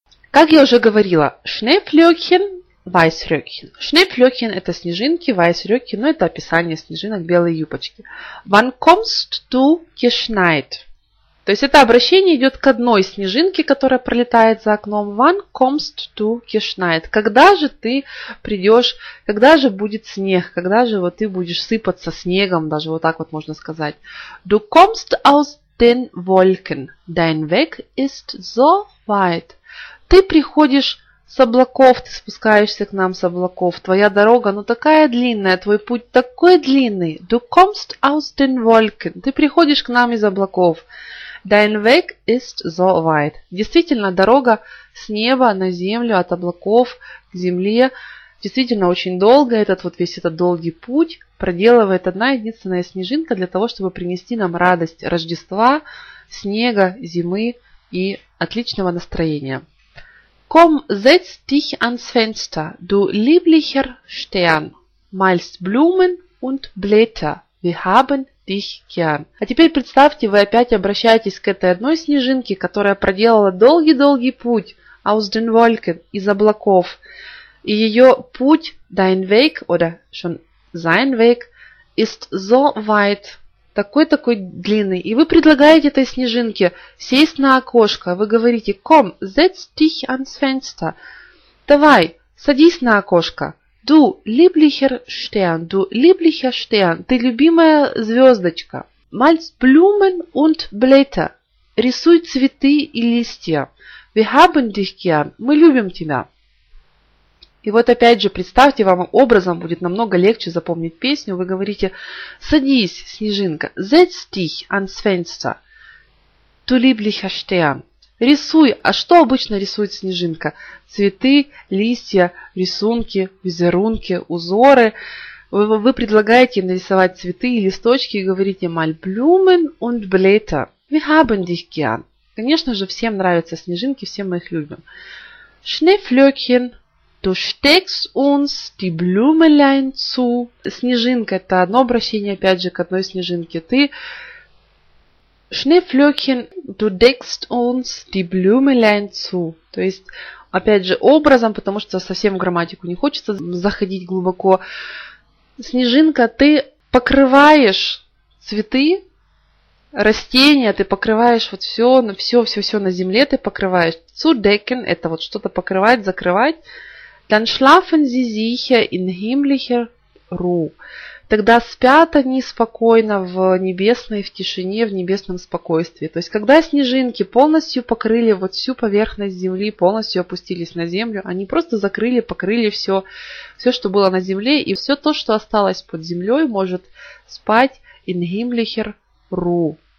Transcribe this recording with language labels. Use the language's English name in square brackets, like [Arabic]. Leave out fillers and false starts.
[Russian] Как я уже говорила, [German] Schneeflöckchen, Weißröckchen. [Russian] Schneeflöckchen – это снежинки, Weißröckchen, ну, – это описание снежинок, белые юбочки. [German] Wann kommst du geschneit? [Russian] То есть это обращение идет к одной снежинке, которая пролетает за окном. [German] Wann kommst du geschneit? [Russian] Когда же ты придешь, когда же будет снег, когда же вот ты будешь сыпаться снегом, даже вот так вот можно сказать. [German] Du kommst aus den Wolken. Dein Weg ist so weit. [Russian] Ты приходишь с облаков, ты спускаешься к нам с облаков. Твоя дорога, ну, такая длинная, твой путь такой длинный. [German] Du kommst aus den Wolken. [Russian] Ты приходишь к нам из облаков. [German] Dein Weg ist so weit. [Russian] Действительно, дорога с неба на землю, от облаков к земле, действительно, очень долгая, этот вот весь этот долгий путь проделывает одна единственная снежинка для того, чтобы принести нам радость Рождества, снега, зимы и отличного настроения. [German] Komm, setz dich ans Fenster, du lieblicher Stern, malst Blumen und Blätter, wir haben dich gern. [Russian] А теперь представьте, вы опять обращаетесь к этой одной снежинке, которая проделала долгий-долгий путь [German] aus den Wolken, [Russian] из облаков. И ее путь, [German] dein Weg, oder schon sein Weg, ist so weit. [Russian] Такой-такой длинный. И вы предлагаете этой снежинке сесть на окошко. Вы говорите, [German] komm, setz dich ans Fenster. [Russian] Давай, садись на окошко. [German] Du lieblicher Stern, du lieblicher Stern. [Russian] Ты любимая звездочка. [German] Malst Blumen und Blätter. [Russian] Рисуй цветы и листья. [German] Wir haben dich gern. [Russian] Мы любим тебя. И вот опять же, представьте, вам образом будет намного легче запомнить песню. Вы говорите, садись, снежинка, [German] setz dich ans Fenster, du lieblicher Stern. [Russian] Рисуй, а что обычно рисует снежинка? Цветы, листья, рисунки, визерунки, узоры. Вы предлагаете нарисовать цветы и листочки и говорите, [German] mal Blumen und Blätter, wir haben dich gern. [Russian] Конечно же, всем нравятся снежинки, всем мы их любим. [German] Schneeflöckchen. Du steckst uns die Blümelein zu. [Russian] Снежинка – это одно обращение, опять же, к одной снежинке. Ты, [German] Schneeflöckchen, du deckst uns die Blümelein zu. [Russian] То есть, опять же, образом, потому что совсем в грамматику не хочется заходить глубоко. Снежинка, ты покрываешь цветы, растения, ты покрываешь вот все, все, все, все на земле ты покрываешь. [German] Zu decken [Russian] – это вот что-то покрывать, закрывать. [German] Dann schlafen sie sicher in himmlischer Ruhe. [Russian] Тогда спят они спокойно в небесной, в тишине, в небесном спокойствии. То есть, когда снежинки полностью покрыли вот всю поверхность земли, полностью опустились на землю, они просто закрыли, покрыли все, все, что было на земле, и все то, что осталось под землей, может спать [German] in himmlischer Ruhe.